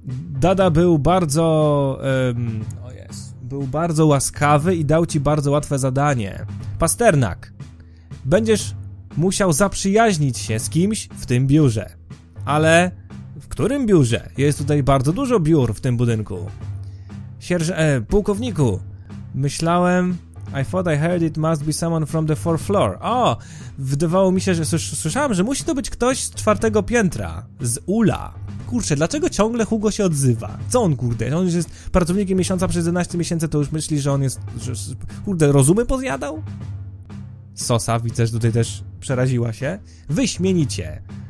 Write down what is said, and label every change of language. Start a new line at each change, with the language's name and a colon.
Polish: Dada był bardzo... Był bardzo łaskawy i dał ci bardzo łatwe zadanie. Pasternak, będziesz musiał zaprzyjaźnić się z kimś w tym biurze. Ale w którym biurze? Jest tutaj bardzo dużo biur w tym budynku. Pułkowniku, myślałem...
English: I thought I heard it must be someone from the fourth floor.
Polish: O, wydawało mi się, że słyszałem, że musi to być ktoś z czwartego piętra. Z Ula. Kurczę, dlaczego ciągle Hugo się odzywa? Co on, kurde? On już jest pracownikiem miesiąca przez 11 miesięcy, to już myśli, że on jest... Że, kurde, rozumy pozjadał? Sosa, widzę, że tutaj też przeraziła się. Wyśmienicie.